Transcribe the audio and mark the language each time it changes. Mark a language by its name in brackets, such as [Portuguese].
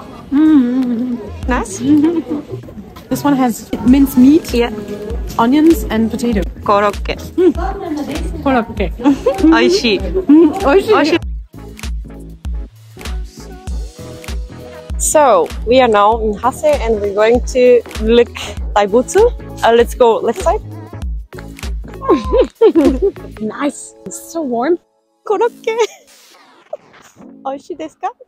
[English] And Nice This one has minced meat Yeah onions and potato [Japanese] コロッケ、うんコロッケ美味しい、うん、美味しい、美味しい [English] So, we are now in Hase and we're going to look Daibutsu Let's go left side Nice! It's so warm [Japanese] コロッケ美味しいですか